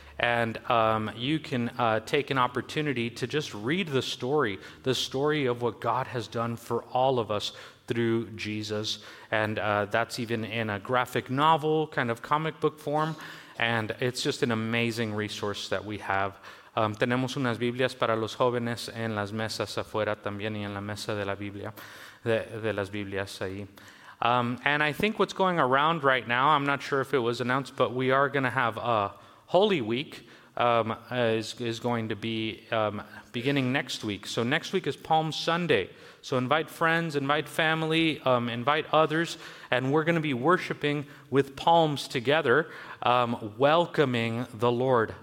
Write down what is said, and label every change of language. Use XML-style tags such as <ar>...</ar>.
<en>And you can take an opportunity to just read the story of what God has done for all of us through Jesus. And that's even in a graphic novel, kind of comic book form. And it's just an amazing resource that we have.</en> <es>Tenemos unas Biblias para los jóvenes en las mesas afuera también y en la mesa de la Biblia, de las Biblias ahí.</es> <en>And I think what's going around right now, I'm not sure if it was announced, but we are going to have a Holy Week is going to be beginning next week. So next week is Palm Sunday. So invite friends, invite family, invite others, and we're going to be worshiping with palms together, welcoming the Lord.</en>